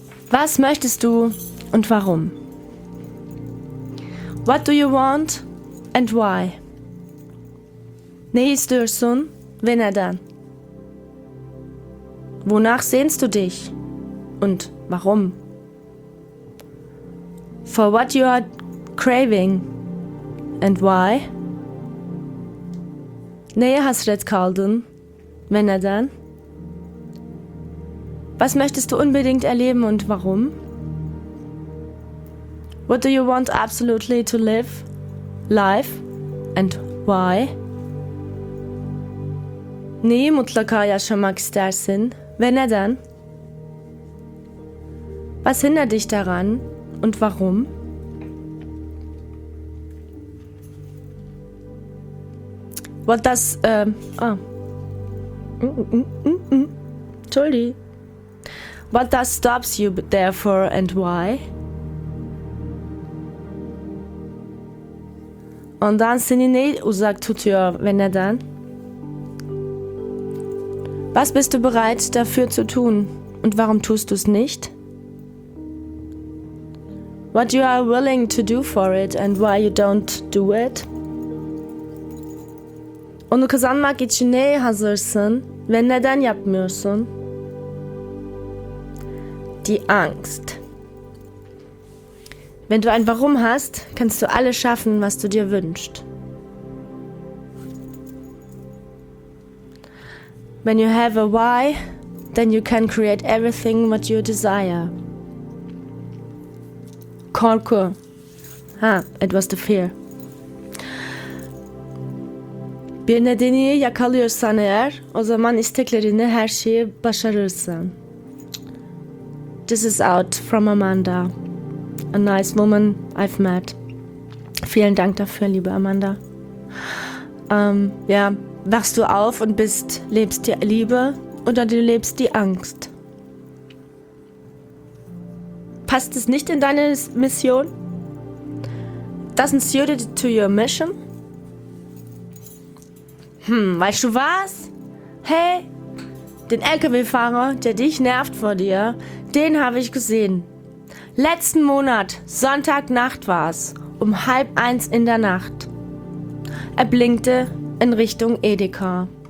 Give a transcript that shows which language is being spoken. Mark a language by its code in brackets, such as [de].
[de] Was möchtest du und warum? [en] What do you want and why? [tr] Ne istiyorsun ve neden? [de] Wonach sehnst du dich und warum? [en] For what you are craving and why? [tr] Neye hasret kaldın ve neden? [de] Was möchtest du unbedingt erleben und warum? [en] What do you want absolutely to live? Life and why? [tr] Neyi mutlaka yaşamak istersin ve neden? [de] Was hindert dich daran und warum? [en] What does... [de] Entschuldigung. [en] What does stops you therefore and why? [de] Und dann [tr] seni ne uzak tutuyor ve neden? [de] Was bist du bereit dafür zu tun und warum tust du es nicht? [en] what you are willing to do for it and why you don't do it. [tr] Onu kazanmak için neye hazırsın ve neden yapmıyorsun? [de] Die Angst. Wenn du ein Warum hast, kannst du alles schaffen, was du dir wünschst. When you have a why, then you can create everything what you desire. [tr] Korku. [en] Ha, it was the fear. [tr] Bir nedeni yakalıyorsan eğer, o zaman isteklerini her şeyi başarırsın. [en] This is out from Amanda, a nice woman I've met. [de] Vielen Dank dafür, liebe Amanda. Ja, wachst du auf und lebst die Liebe oder du lebst die Angst? Passt es nicht in deine Mission? Doesn't suit it to your mission? Weißt du was? Hey, den LKW-Fahrer, der dich nervt vor dir, den habe ich gesehen. Letzten Monat, Sonntagnacht war's, um 12:30 in der Nacht. Er blinkte in Richtung Edeka.